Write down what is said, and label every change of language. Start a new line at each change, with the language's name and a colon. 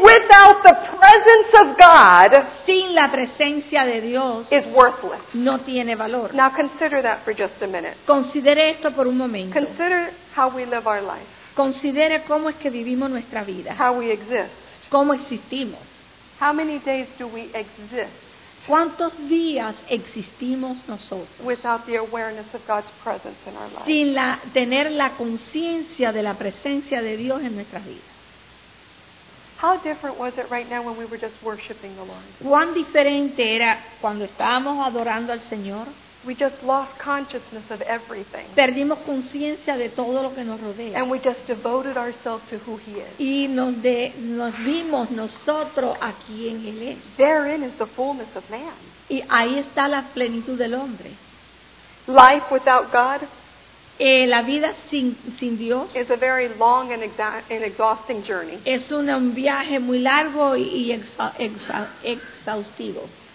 English: without the presence of God,
Spanish: sin la presencia de Dios,
English: is worthless.
Spanish: No tiene valor.
English: Now consider that for just a minute.
Spanish: Considere esto por un momento.
English: Consider how we live our life.
Spanish: Considere cómo es que vivimos nuestra vida.
English: How we exist.
Spanish: Cómo existimos.
English: How many days do we exist?
Spanish: ¿Cuántos días existimos nosotros?
English: Without the awareness of God's presence in our lives.
Spanish: Sin la tener la conciencia de la presencia de Dios en nuestras vidas.
English: How different was it right now when we were just worshiping the Lord?
Spanish: ¿Cuán diferente era cuando estábamos adorando al Señor?
English: We just lost consciousness of everything.
Spanish: Perdimos conciencia de todo lo que nos rodea.
English: And we just devoted ourselves to who He is.
Spanish: Y nos dimos nosotros a quien Él es.
English: Therein is the fullness of man.
Spanish: Y ahí está la plenitud del hombre.
English: Life without God.
Spanish: La vida sin Dios.
English: Is a very long and exhausting journey.
Spanish: Es un viaje muy largo y exhaustivo.